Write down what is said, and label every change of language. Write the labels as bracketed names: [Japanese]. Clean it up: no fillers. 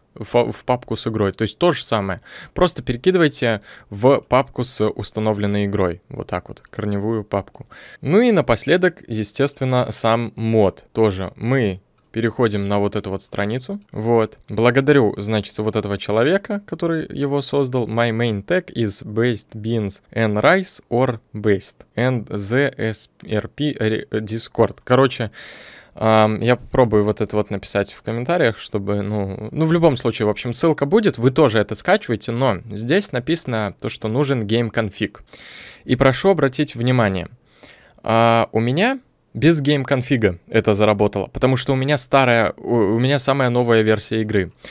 [Russian] В папку с игрой, то есть то же самое. Просто перекидывайте в папку с установленной игрой. Вот так вот, корневую папку. Ну и напоследок, естественно, сам мод тоже. Мы переходим на вот эту вот страницу. Вот, благодарю, значит, вот этого человека, который его создал. [English] My main tag is based beans and rice or based and ZSRP Discord. [Russian] Короче, я попробую вот это вот написать в комментариях, чтобы, ну, в любом случае, в общем, ссылка будет, вы тоже это скачиваете, но здесь написано то, что нужен game-config. И прошу обратить внимание, у меня без game-config'а это заработало, потому что у меня самая новая версия игры.